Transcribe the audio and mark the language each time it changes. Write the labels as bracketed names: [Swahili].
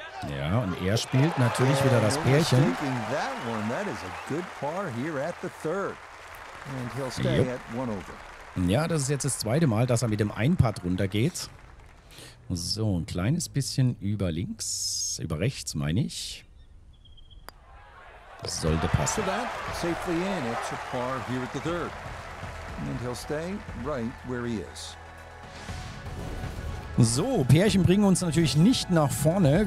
[German] Ja, und er spielt natürlich wieder das Pärchen. [English] That one, that is a good par here at the third. And he'll stay at one over. [German] Ja, das ist jetzt das zweite Mal, dass er mit dem Einpad runtergeht. So, ein kleines bisschen über links, über rechts meine ich. Das sollte passen. [English] Safely in, it's a par here at the third. And he'll stay right where he is. [German] So, Pärchen bringen uns natürlich nicht nach vorne.